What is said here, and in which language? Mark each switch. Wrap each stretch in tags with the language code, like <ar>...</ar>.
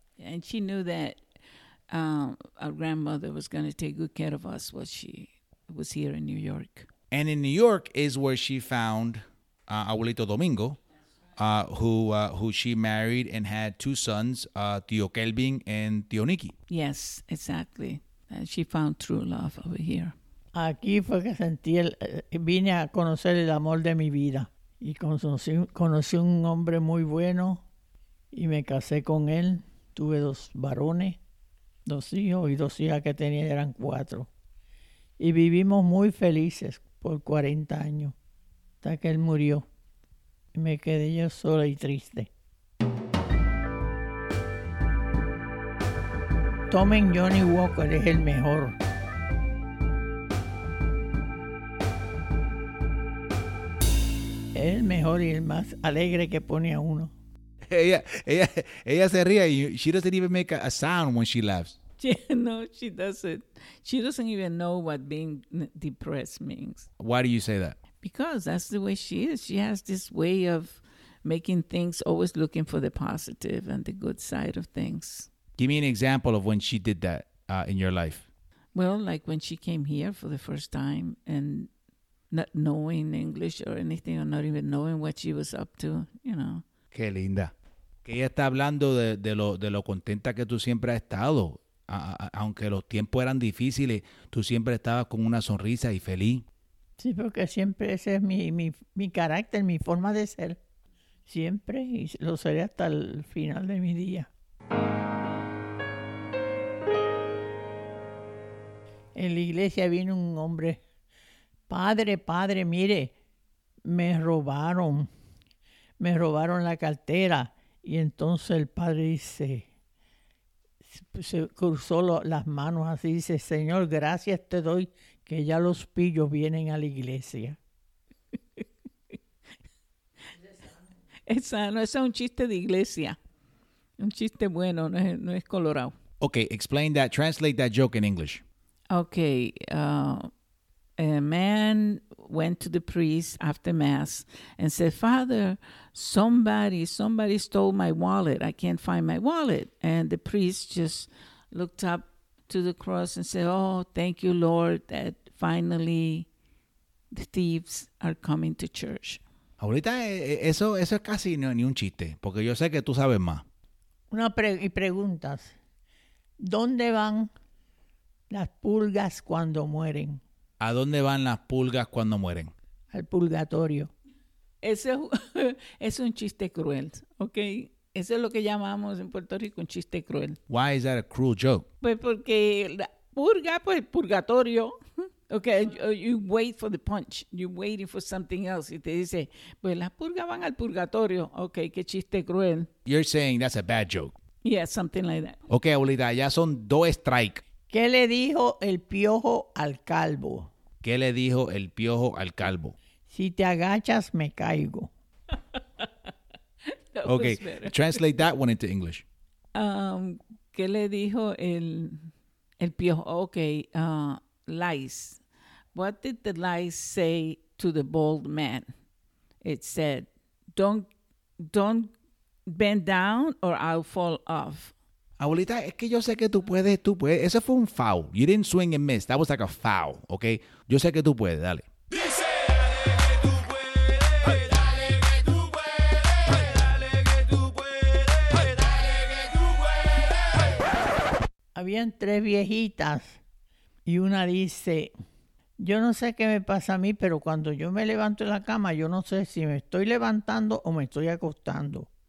<en>And she knew that our grandmother was going to take good care of us while she was here in New York. And in New York is where she found Abuelito Domingo, who she married and had two sons, Tio Kelvin and Tio Nicky. Yes, exactly. And she found true love over here.</en> <es>Aquí fue que vine a conocer el amor de mi vida. Y conocí un hombre muy bueno y me casé con él. Tuve dos varones, dos hijos y dos hijas que tenía, eran cuatro. Y vivimos muy felices por 40 años hasta que él murió. Y me quedé yo sola y triste. Tomen Johnny Walker, es el mejor. Es el mejor y el más alegre que pone a uno. Ella se ríe.</es> <en>She doesn't even make a sound when she laughs. No, she doesn't. She doesn't even know what being depressed means. Why do you say that? Because that's the way she is. She has this way of making things, always looking for the positive and the good side of things. Give me an example of when she did that in your life. Well, like when she came here for the first time and not knowing English or anything, or not even knowing what she was up to, you know.</en> <es>Qué linda. Que ella está hablando de lo contenta que tú siempre has estado. Aunque los tiempos eran difíciles, tú siempre estabas con una sonrisa y feliz. Sí, porque siempre ese es mi carácter, mi forma de ser. Siempre, y lo seré hasta el final de mi día. En la iglesia vino un hombre. Padre, mire, me robaron la cartera. Y entonces el padre dice, se cruzó las manos así, dice, Señor, gracias te doy que ya los pillos vienen a la iglesia. Es sano, es un chiste de iglesia, un chiste bueno, no es colorado.</es> <en>Okay, explain that, translate that joke in English. Okay, a man went to the priest after mass and said, Father, somebody stole my wallet. I can't find my wallet. And the priest just looked up to the cross and said, oh, thank you, Lord, that finally the thieves are coming to church.</en> <es>Abuelita, eso es casi ni un chiste, porque yo sé que tú sabes más. Y preguntas, ¿dónde van las pulgas cuando mueren? ¿A dónde van las pulgas cuando mueren? Al purgatorio. Ese es un chiste cruel, ¿ok? Eso es lo que llamamos en Puerto Rico un chiste cruel.</es> <en>Why is that a cruel joke?</en> <es>Pues porque la purga, pues purgatorio.</es> <en>Ok, you wait for the punch. You're waiting for something else.</en> <es>Y te dice, pues las pulgas van al purgatorio. Ok, qué chiste cruel.</es> <en>You're saying that's a bad joke. Yeah, something like that.</en> <es>Ok, abuelita, ya son dos strikes. ¿Qué le dijo el piojo al calvo? ¿Qué le dijo el piojo al calvo? Si te agachas, me caigo.</es> <en>Okay, translate that one into English.</en> <es>¿Qué le dijo el piojo?</es> <en>Okay, lice. What did the lice say to the bald man? It said, don't bend down or I'll fall off.</en> <es>Abuelita, es que yo sé que tú puedes. Eso fue un foul.</es> <en>You didn't swing and miss. That was like a foul, okay?</en> <es>Yo sé que tú puedes, dale. Dice, dale que tú puedes, dale que tú puedes, dale que tú puedes, dale que tú puedes. Habían tres viejitas y una dice, yo no sé qué me pasa a mí, pero cuando yo me levanto en la cama, yo no sé si me estoy levantando o me estoy acostando.</es>